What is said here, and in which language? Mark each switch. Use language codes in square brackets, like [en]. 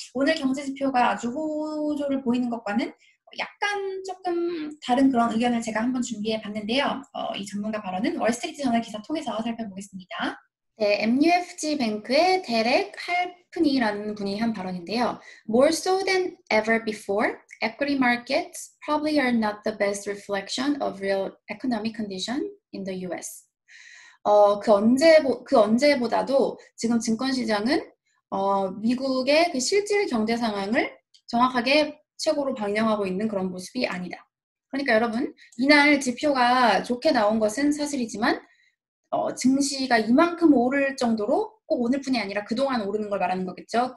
[ko] 오늘 경제 지표가 아주 호조를 보이는 것과는 약간 조금 다른 그런 의견을 제가 한번 준비해 봤는데요. 이 전문가 발언은 월스트리트저널 기사 통해서 살펴보겠습니다. 네, MUFG 뱅크의 데렉 할프니라는 분이 한 발언인데요. [en] More so than ever before, equity markets probably are not the best reflection of real economic condition in the US. [ko] 그 언제보다도 지금 증권시장은 미국의 그 실질 경제 상황을 정확하게 최고로 반영하고 있는 그런 모습이 아니다. 그러니까 여러분, 이날 지표가 좋게 나온 것은 사실이지만, 증시가 이만큼 오를 정도로 꼭 오늘뿐이 아니라 그동안 오르는 걸 말하는 거겠죠.